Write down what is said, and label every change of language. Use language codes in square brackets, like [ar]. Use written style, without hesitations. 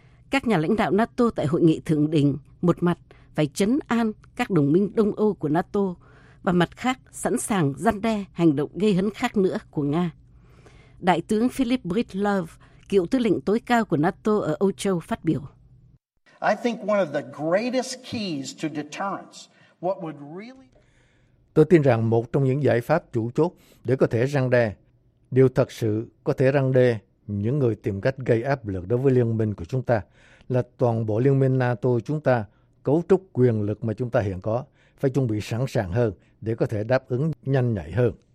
[vi] Các nhà lãnh đạo NATO tại hội nghị thượng đỉnh một mặt phải trấn an các đồng minh Đông Âu của NATO và mặt khác sẵn sàng răn đe hành động gây hấn khác nữa của Nga. Đại tướng Philip Breedlove, cựu tư lệnh tối cao của NATO ở Âu Châu, phát biểu. [en] I think one of the greatest keys to deterrence, what would really... [vi] Tôi tin rằng một trong những giải pháp chủ chốt để có thể răn đe, điều thật sự có thể răn đe những người tìm cách gây áp lực đối với liên minh của chúng ta là toàn bộ liên minh NATO chúng ta, cấu trúc quyền lực mà chúng ta hiện có, phải chuẩn bị sẵn sàng hơn để có thể đáp ứng nhanh nhạy hơn.